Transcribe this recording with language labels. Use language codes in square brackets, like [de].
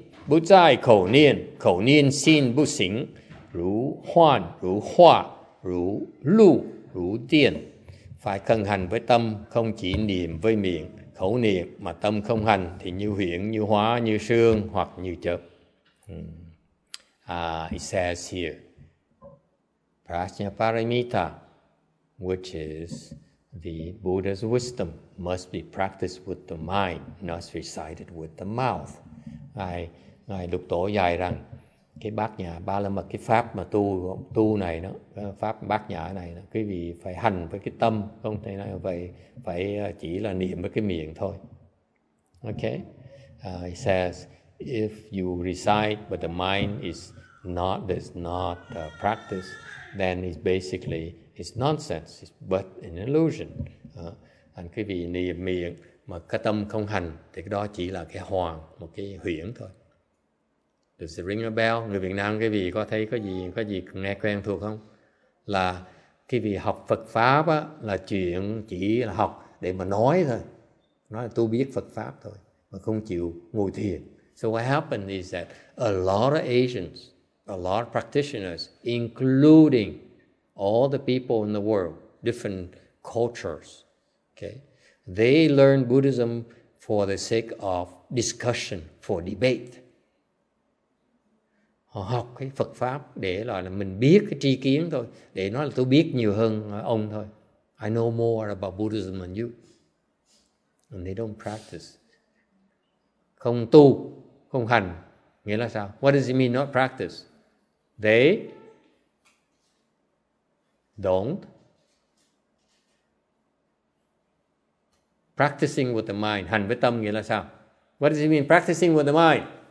[vi] bút giải khẩu niên xin bút xính, rú hoan, rú hoa, rú lu, rú tiền. Phải cân hành với tâm, không chỉ niệm với miệng, khẩu niệm mà tâm không hành thì như huyễn, như hóa, như sương hoặc như chớp. [en] It says here, Prajnaparamita, which is the Buddha's wisdom, must be practiced with the mind, not recited with the mouth. [vi] Ngài Lục Tổ dạy rằng cái bát nhã ba la mật, cái pháp mà tu này nó, pháp bát nhã này nó, quý vị phải hành với cái tâm, không thể nói vậy, phải chỉ là niệm với cái miệng thôi. [en] Okay, he says if you recite but the mind is not, does not practice, then it's basically it's nonsense, it's but an illusion. [vi] Anh quý vị niệm miệng mà cái tâm không hành thì cái đó chỉ là cái hoàng, một cái huyễn thôi. [en] Does it ring a bell? [vi] Người Việt Nam quý vị có thấy có gì nghe quen thuộc không? Là quý vị học Phật Pháp á, là chuyện chỉ là học để mà nói thôi. Nói là tôi biết Phật Pháp thôi, mà không chịu ngồi thiền. [en] So what happened is that a lot of Asians, a lot of practitioners, including all the people in the world, different cultures, okay, they learn Buddhism for the sake of discussion, for debate. [vi] Họ học cái Phật Pháp để là mình biết cái tri kiến thôi, để nói là tôi biết nhiều hơn ông thôi. [en] I know more about Buddhism than you. And they don't practice. [vi] Không tu, không hành. Nghĩa là sao? [en] What does it mean not practice? They don't practicing with the mind. [vi] Hành với tâm nghĩa là sao? [en] What does it mean practicing with the mind?